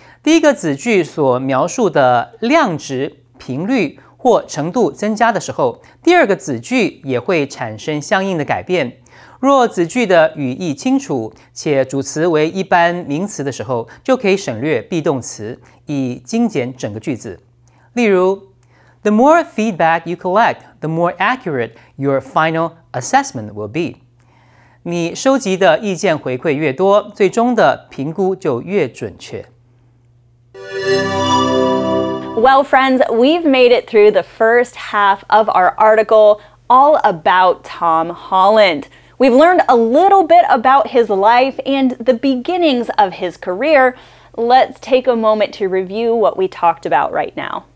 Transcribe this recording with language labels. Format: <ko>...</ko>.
<zh>第一个子句所描述的量值、频率或程度增加的时候，第二个子句也会产生相应的改变。若子句的语义清楚，且主词为一般名词的时候，就可以省略 be 动词，以精简整个句子。例如</zh> <en>,The more feedback you collect, the more accurate your final assessment will be.</en> <zh>你收集的意见回馈越多，最终的评估就越准确。</zh> <en>Well, friends, we've made it through the first half of our article all about Tom Holland. We've learned a little bit about his life and the beginnings of his career. Let's take a moment to review what we talked about right now.</en>